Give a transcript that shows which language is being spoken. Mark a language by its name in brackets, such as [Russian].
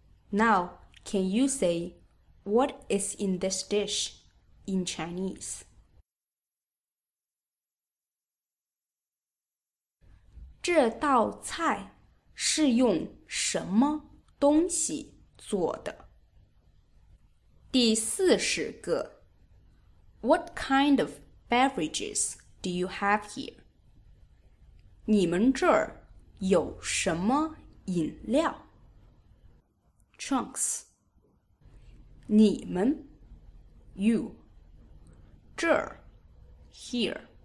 [English] Now, can you say what is in this dish in Chinese? [Chinese] 这道菜是用什么东西做的？第四十个。 [English] What kind of beverages do you have here? [Chinese] 你们这儿有什么饮料？ [English] Trunks。 [Chinese] 你们， [English] you。 [Chinese] 这儿， [English] here。